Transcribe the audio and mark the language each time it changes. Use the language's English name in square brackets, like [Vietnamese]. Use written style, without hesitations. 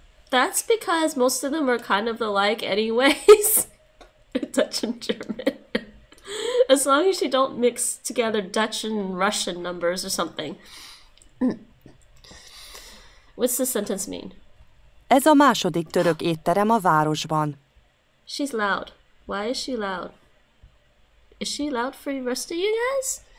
[English] That's because most of them are kind of alike anyways. Dutch and German. As long as you don't mix together Dutch and Russian numbers or something. What's the sentence mean? [Hungarian] Ez a második török étterem a városban. [English] She's loud. Why is she loud? Is she loud for the rest of you guys?